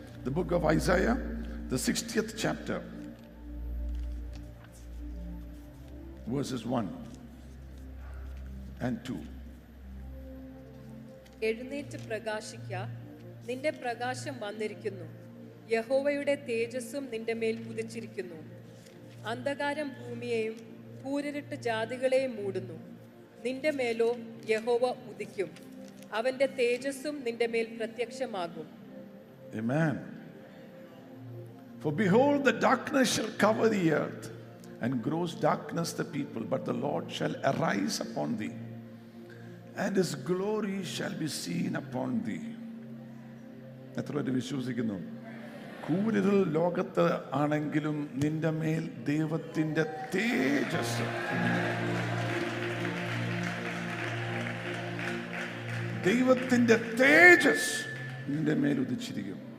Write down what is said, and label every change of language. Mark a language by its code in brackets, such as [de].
[en] The book of Isaiah, the 60th chapter, verses 1 and 2. [ml] എഴുന്നേറ്റ് പ്രകാശിക്ക, നിന്റെ പ്രകാശം വന്നിരിക്കുന്നു, യഹോവയുടെ തേജസ്സും നിന്റെ മേൽ ഉദിച്ചിരിക്കുന്നു. അന്ധകാരം ഭൂമിയെയും കൂരിട്ട് ജാതികളെയും മൂടുന്നു, നിന്റെ മേലോ യഹോവ ഉദിക്കും, അവന്റെ തേജസ്സും നിന്റെ മേൽ പ്രത്യക്ഷമാകും. [en] Amen. For behold, the darkness shall cover the earth, and gross darkness the people, but the Lord shall arise upon thee, and his glory shall be seen upon thee. [ml] എത്രയോ വിശ്വസിക്കുന്നു. കൂരിരുൾ ലോകത്ത് ആണെങ്കിലും നിന്റെ മേൽ ദൈവത്തിന്റെ തേജസ്. ദൈവത്തിന്റെ തേജസ് നിന്റെ മേൽ ഉദിച്ചിരിക്കും.